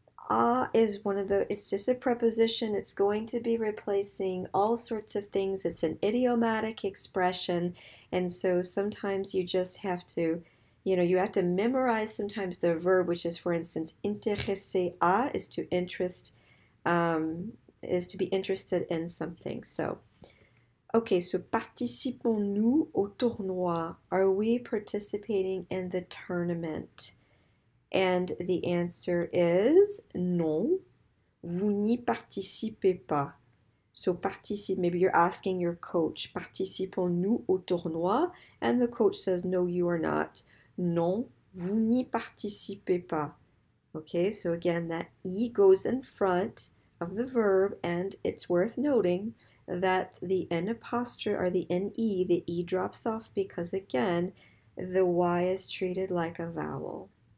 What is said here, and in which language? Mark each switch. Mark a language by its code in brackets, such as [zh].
[en] Ah is one of the, it's just a preposition. It's going to be replacing all sorts of things. It's an idiomatic expression. And so sometimes you just have to, you have to memorize sometimes the verb, which is, for instance, intéresser à is to interest, is to be interested in something. [fr] So, okay, so participons-nous au tournoi? [en] Are we participating in the tournament? And the answer is [fr] non, vous n'y participez pas. [en] So participe, maybe you're asking your coach, [fr] participons-nous au tournoi? [en] And the coach says, no, you are not. [fr] Non, vous n'y participez pas. [en] Okay, so again, that E goes in front of the verb, and it's worth noting that the N apostrophe or the N-E, the E drops off because again, the Y is treated like a vowel.